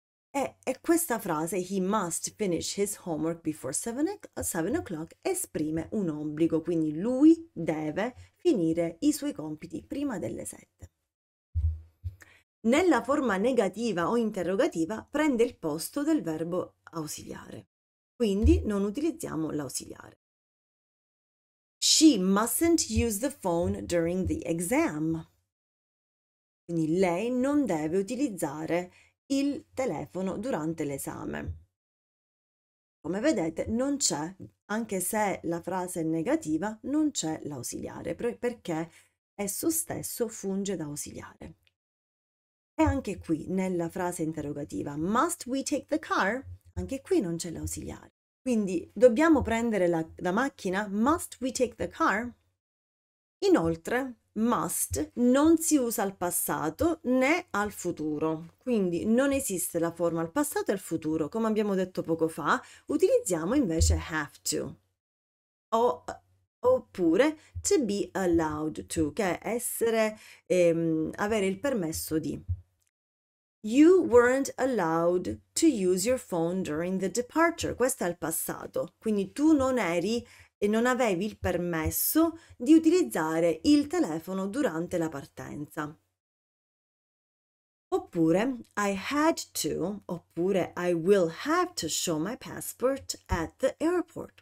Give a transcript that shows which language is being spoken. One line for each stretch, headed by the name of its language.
Italian: E questa frase,
English: he must finish his homework before 7 o'clock,
Italian: esprime un obbligo, quindi lui deve finire i suoi compiti prima delle 7. Nella forma negativa o interrogativa prende il posto del verbo ausiliare, quindi non utilizziamo l'ausiliare.
English: She mustn't use the phone during the exam.
Italian: Quindi lei non deve utilizzare il telefono durante l'esame. Come vedete, non c'è, anche se la frase è negativa, non c'è l'ausiliare, perché esso stesso funge da ausiliare. E anche qui, nella frase interrogativa,
English: must we take the car?
Italian: Anche qui non c'è l'ausiliare. Quindi dobbiamo prendere la macchina?
English: Must we take the car?
Italian: Inoltre, must non si usa al passato né al futuro. Quindi non esiste la forma al passato e al futuro. Come abbiamo detto poco fa, utilizziamo invece have to. Oppure to be allowed to, che è essere, avere il permesso di.
English: You weren't allowed to use your phone during the departure.
Italian: Questo è il passato. Quindi tu non eri e non avevi il permesso di utilizzare il telefono durante la partenza. Oppure
English: I had to,
Italian: oppure
English: I will have to show my passport at the airport.